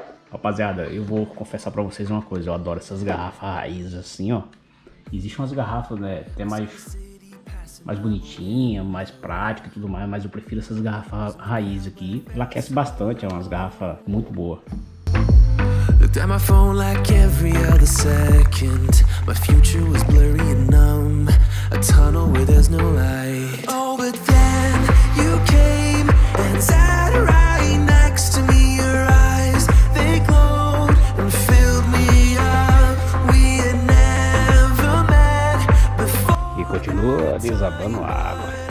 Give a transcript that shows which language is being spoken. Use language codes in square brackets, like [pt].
[pt] Rapaziada, eu vou confessar pra vocês uma coisa. Eu adoro essas garrafas raiz assim, ó. Existem umas garrafas, né? Até mais bonitinha, mais prática e tudo mais, mas eu prefiro essas garrafas raiz aqui. Ela aquece bastante, é umas garrafas muito boas. [en] Looked at my phone like every other second. My future was blurry and numb. A tunnel where there's no light. Oh, but then you came and sat right next to me. Your eyes, they glowed and filled me up. We had never met before. [pt] E continua desabando a água.